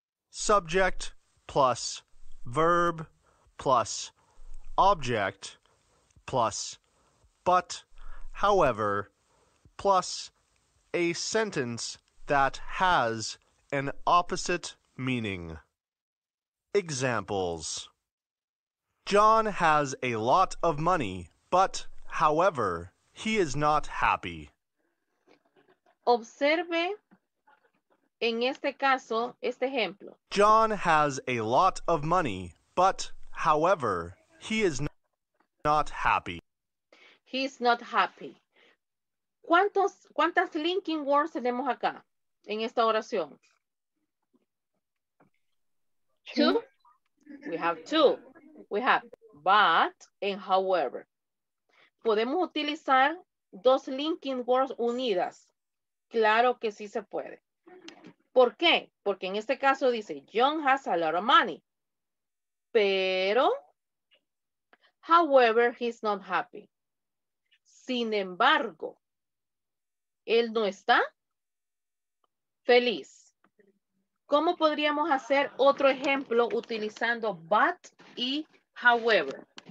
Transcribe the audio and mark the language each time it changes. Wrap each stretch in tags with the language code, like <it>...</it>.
<en>Subject plus verb plus object plus but, however, plus a sentence that has an opposite meaning. Examples. John has a lot of money, but, however, he is not happy.</en> <es>Observe, en este caso, este ejemplo.</es> <en>John has a lot of money, but, however, he is not happy. He is not happy.</en> <es>¿Cuántas linking words tenemos acá, en esta oración?</es> <en>Two. We have two. We have but and however.</en> <es>Podemos utilizar dos linking words unidas. Claro que sí se puede. ¿Por qué? Porque en este caso dice,</es> <en>John has a lot of money. Pero, however, he's not happy.</en> <es>Sin embargo, él no está feliz. ¿Cómo podríamos hacer otro ejemplo utilizando but y however?</es>